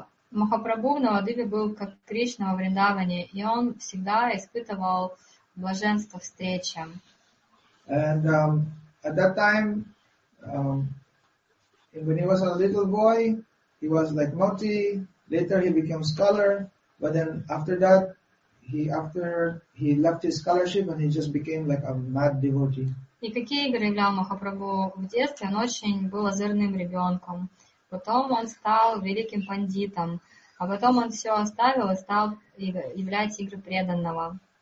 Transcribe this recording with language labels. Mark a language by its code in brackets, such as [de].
[ru] Махапрабху в Навадвипе был как Кришна во Вриндаване, и он всегда испытывал блаженство встречи. [en] And at that time, when he was a little boy, he was like Moti. Later he became scholar, but then after that, he left his scholarship and he just became like a mad devotee. [ru] И какие игры играл Махапрабху в детстве? Он очень был озорным ребенком. Потом он стал великим пандитом. А потом он все оставил и стал являть игру преданного.